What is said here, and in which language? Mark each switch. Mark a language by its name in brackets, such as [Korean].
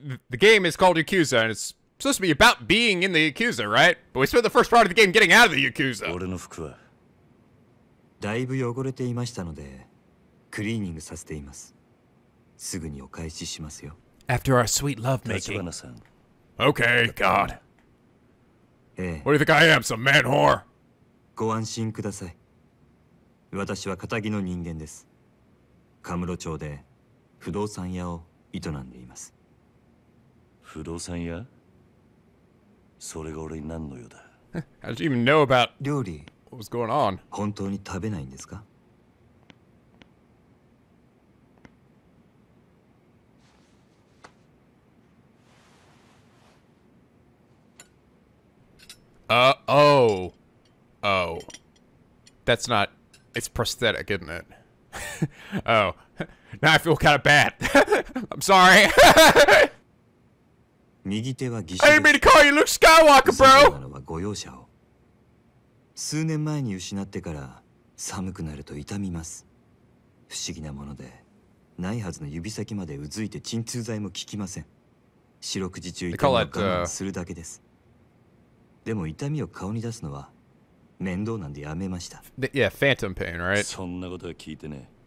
[English] The game is called Yakuza, and it's supposed to be about being in the Yakuza, right? But we spent the first part of the game getting out of the Yakuza. [Japanese] 俺の服は、だいぶ汚れていましたので、クリーニングさせています。すぐにお返ししますよ。 [English] After our sweet lovemaking. Okay, God. What do you think I am, some man whore? [Japanese] ご安心ください。私は片木の人間です。カムロ町で不動産屋を営んでいます。不動産屋? それが俺に何の用だ? [English] How did you even know about... 料理?What was going on? [Japanese] 本当に食べないんですか? [English] Oh. That's not... It's prosthetic, isn't it? Oh. Now I feel kind of bad. I'm sorry. I didn't mean to call you Luke Skywalker, bro! [Japanese] ご容赦を。数年前に失ってから寒くなると痛みます。不思議なもので、ないはずの指先までうずいて鎮痛剤も効きません。四六時中痛みを我慢するだけです。 [English] Phantom pain, right?